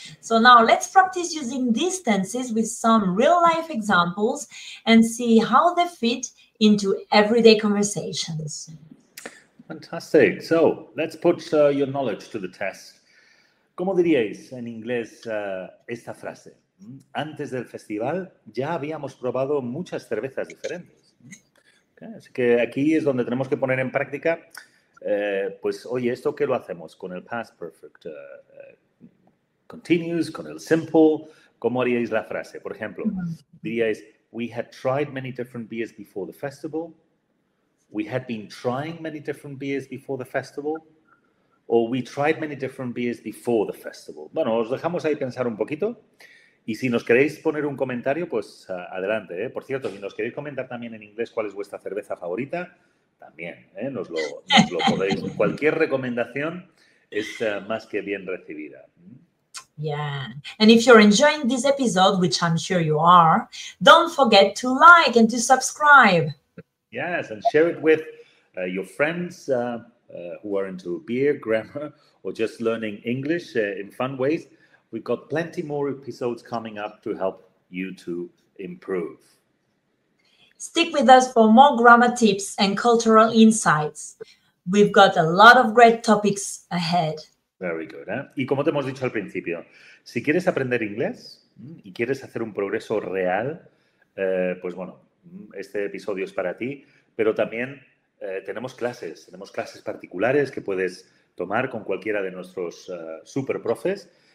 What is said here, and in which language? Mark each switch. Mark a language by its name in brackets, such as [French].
[English] So now let's practice using these tenses with some real life examples and see how they fit into everyday conversations. Fantastic. So let's put your knowledge to the test. [Spanish] ¿Cómo diríais en inglés esta frase? Antes del festival ya habíamos probado muchas cervezas diferentes. Okay. Así que aquí es donde tenemos que poner en práctica, pues oye, ¿esto qué lo hacemos con el past perfect continuous, con el simple? ¿Cómo haríais la frase? Por ejemplo, diríais, [English] we had tried many different beers before the festival. We had been trying many different beers before the festival. Or we tried many different beers before the festival. [Spanish] Bueno, os dejamos ahí pensar un poquito. Y si nos queréis poner un comentario, pues adelante. Por cierto, si nos queréis comentar también en inglés cuál es vuestra cerveza favorita, también nos lo podéis. Cualquier recomendación es más que bien recibida. [English] Yeah. And if you're enjoying this episode, which I'm sure you are, don't forget to like and to subscribe. Yes, and share it with your friends who are into beer, grammar, or just learning English in fun ways. We've got plenty more episodes coming up to help you to improve. Stick with us for more grammar tips and cultural insights. We've got a lot of great topics ahead. Very good. [Spanish] Y como te hemos dicho al principio, si quieres aprender inglés y quieres hacer un progreso real, pues bueno, este episodio es para ti, pero también tenemos clases particulares que puedes tomar con cualquiera de nuestros super profes.